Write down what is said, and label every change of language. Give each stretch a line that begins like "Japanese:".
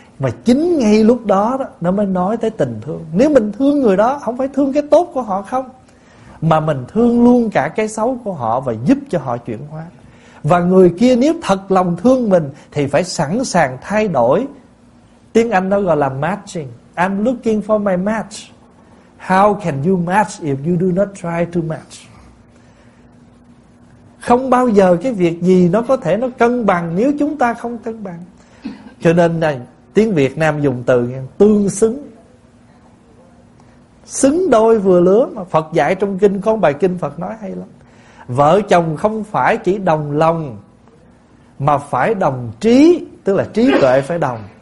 Vietnamese: Mà chính ngay lúc đó đó nó mới nói tới tình thương. Nếu mình thương người đó, không phải thương cái tốt của họ không, mà mình thương luôn cả cái xấu của họ và giúp cho họ chuyển hóa. Và người kia nếu thật lòng thương mình thì phải sẵn sàng thay đổi. Tiếng Anh nó gọi là matching.
English: I'm looking for my match. How can you match if you do not try to match?
Vietnamese: Không bao giờ cái việc gì nó có thể nó cân bằng nếu chúng ta không cân bằng. Cho nên này, tiếng Việt Nam dùng từ tương xứng. Xứng đôi vừa lứa mà Phật dạy trong kinh, có bài kinh Phật nói hay lắm. Vợ chồng không phải chỉ đồng lòng mà phải đồng trí, tức là trí tuệ phải đồng.